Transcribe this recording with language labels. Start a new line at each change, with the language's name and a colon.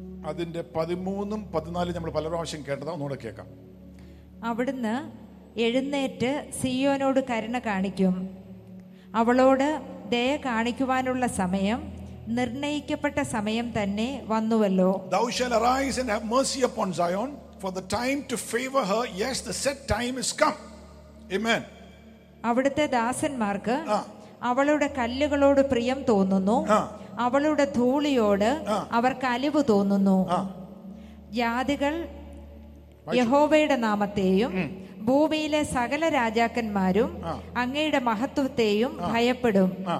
Malayalam: അതിന്റെ 13-14 നമ്മൾ പല പ്രാവശ്യം കേട്ടതാ, ഒന്നുകൂടെ കേൾക്കാം. അവിടുന്ന് എഴുന്നേറ്റ് സിയോനോട് കരുണ കാണിക്കും, അവളോട് ദയ കാണിക്കുവാനുള്ള സമയം നിർണയിക്കപ്പെട്ട സമയം തന്നെ വന്നുവല്ലോ.
English: Thou shall arise and have mercy upon Zion. For the time to favor her, yes, the set time is come. Amen.
Malayalam: അവിടുത്തെ ദാസന്മാർക്ക് അവളുടെ കല്ലുകളോട് പ്രിയം തോന്നുന്നു, അവളുടെ ധൂളിയോട് അവർക്ക് അലിവ് തോന്നുന്നു. ജാതികൾ യഹോവയുടെ നാമത്തെയും ഭൂമിയിലെ സകല രാജാക്കന്മാരും അങ്ങയുടെ മഹത്വത്തെയും ഭയപ്പെടും.